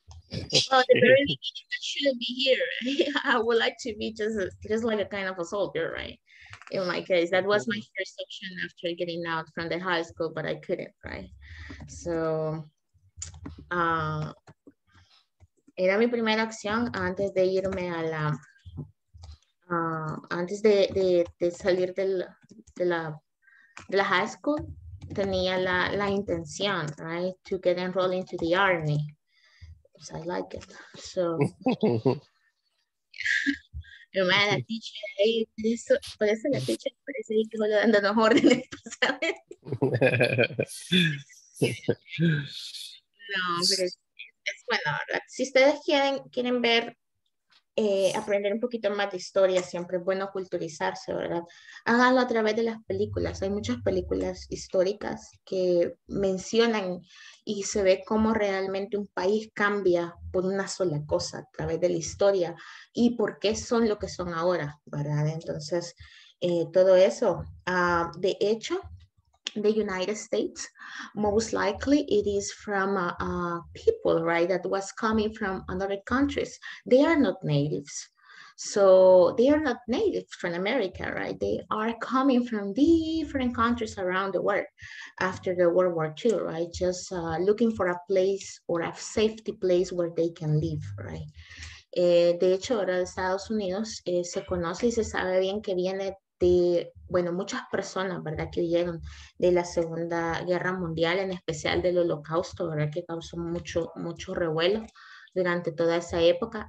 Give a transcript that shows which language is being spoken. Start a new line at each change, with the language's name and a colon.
English: Well, the very beginning, I shouldn't be here. I would like to be just like a kind of a soldier, right? In my case, that was my first option after getting out from the high school, but I couldn't, right?
Spanish: So, era mi primera opción antes de irme a la, antes de salir del, de la, de la high school tenía la, la intención,
English: right, to get enrolled into the army. So I like it.
Spanish: So, yo me la teacher ahí, por eso la teacher parece que solo dando los órdenes, ¿sabes? No, pero es bueno, ¿verdad? Si ustedes quieren, quieren ver, aprender un poquito más de historia, siempre es bueno culturizarse, ¿verdad? Háganlo a través de las películas. Hay muchas películas históricas que mencionan y se ve cómo realmente un país cambia por una sola cosa a través de la historia y por qué son lo que son ahora, ¿verdad? Entonces, todo eso. De hecho,
English: the United States, most likely it is from people, right, that was coming from another countries. They are not natives. So they are not natives from America, right? They are coming from different countries around the world after the World War II, right? Just looking for a place or a safety place where they can live, right?
Spanish: De hecho, ahora Estados Unidos se conoce y se sabe bien que viene de, bueno, muchas personas, ¿verdad?, que huyeron de la Segunda Guerra Mundial, en especial del Holocausto, ¿verdad?, que causó mucho, mucho revuelo durante toda esa época.